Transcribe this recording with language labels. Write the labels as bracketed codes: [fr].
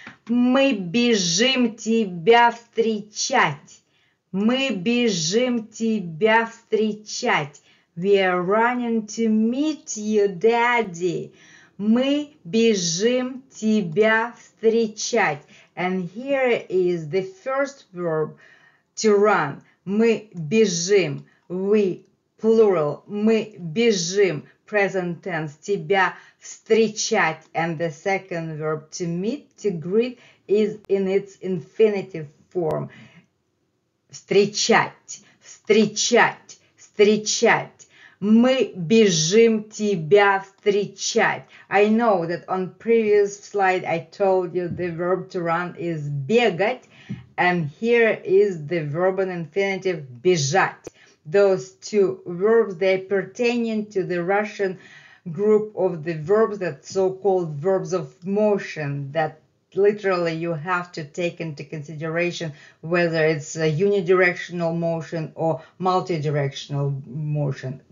[ru] Мы бежим тебя встречать. Мы бежим тебя встречать. [en] We are running to meet you, daddy. [ru] Мы бежим тебя встречать. [en] And here is the first verb to run. [ru] Мы бежим. [en] We, plural. [ru] Мы бежим. [en] Present tense. [ru] Тебя встречать. [en] And the second verb to meet, to greet, is in its infinitive form. [ru] Встречать. Встречать. Встречать. Мы бежим тебя встречать. [en] I know that on previous slide I told you the verb to run is бегать. And here is the verb in infinitive бежать. Those two verbs, they pertaining to the Russian group of the verbs, that so-called verbs of motion, that literally you have to take into consideration whether it's a unidirectional motion or multidirectional motion.